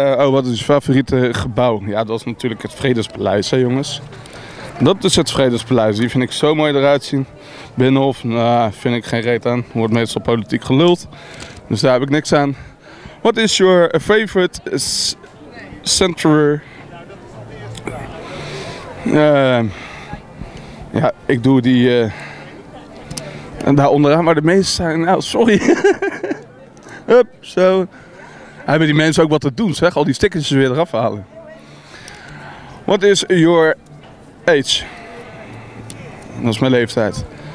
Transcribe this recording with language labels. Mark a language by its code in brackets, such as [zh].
[nl] Wat is je favoriete gebouw? Ja, dat is natuurlijk het Vredespaleis, hè jongens. Dat is het Vredespaleis. Die vind ik zo mooi eruit zien. Binnenhof, nou, vind ik geen reet aan. Wordt meestal politiek geluld. Dus daar heb ik niks aan. [en] What is your favorite center? [nl] Ja, ik doe die daar onderaan, maar de meeste zijn... Nou, sorry. Hup, zo. Hebben die mensen ook wat te doen, zeg. Al die stickers weer eraf halen. [en] What is your age? [nl] Dat is mijn leeftijd.